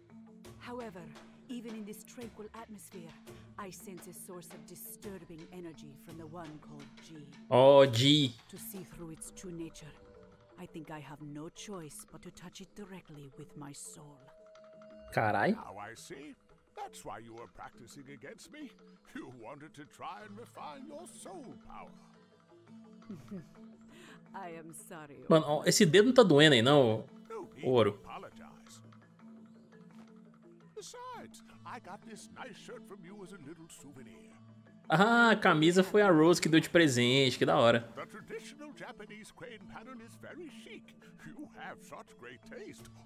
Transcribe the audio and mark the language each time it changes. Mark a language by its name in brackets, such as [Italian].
[Portuguese] Entretanto, mesmo nessa tranquila atmosfera, eu sinto uma fonte de disturbing energia de um chamado G. Oh, G! Para ver por sua verdadeira natureza, acho que não tenho escolha mas de tocar diretamente com minha alma. Carai! Agora eu vejo. [English] That's why you were practicing against me. You wanted to try and refine your soul power. I am sorry. [Portuguese] Mano, ó, esse dedo não tá doendo aí, não, Ouro. [English] Apologize. Besides, I got this nice shirt from you as a little souvenir. [Portuguese] Ah, a camisa foi a Rose que deu de presente, que da hora. [English] The traditional Japanese crane pattern is very chic. You have such great taste.